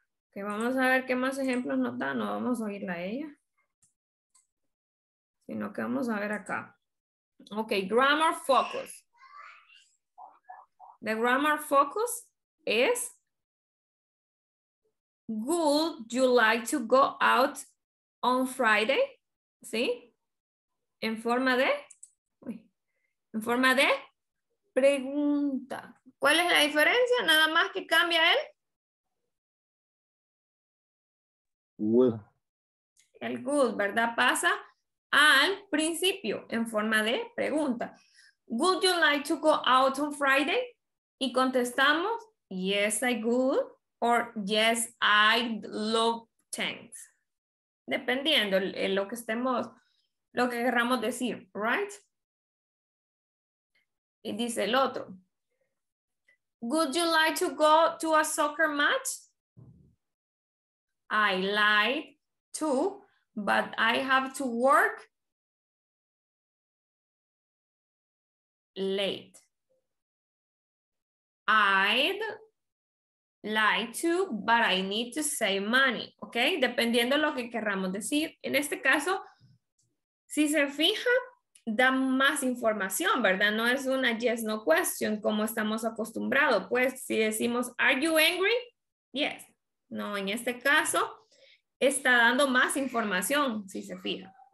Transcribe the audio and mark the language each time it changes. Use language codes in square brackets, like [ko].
[es] Okay, vamos a ver qué más ejemplos nos da. No vamos a oírla a ella, sino que vamos a ver acá. [en] Ok, grammar focus. The grammar focus is, would you like to go out on Friday? [es] ¿Sí? En forma de, uy, en forma de pregunta. ¿Cuál es la diferencia? Nada más que cambia el [en] would. [es] El would, ¿verdad? Pasa al principio, en forma de pregunta. [en] Would you like to go out on Friday? [es] Y contestamos, [en] yes, I would, or yes, I'd love, thanks. [es] Dependiendo en lo que estemos, lo que queramos decir, right? Y dice el otro, [en] would you like to go to a soccer match? I like to, but I have to work late. I'd like to, but I need to save money. [es] Ok, dependiendo lo que querramos decir. En este caso, si se fija, da más información, ¿verdad? No es una [en] yes, no question [es] como estamos acostumbrados. Pues si decimos, [en] are you angry? Yes. [es] No, en este caso, está dando más información, si se fija.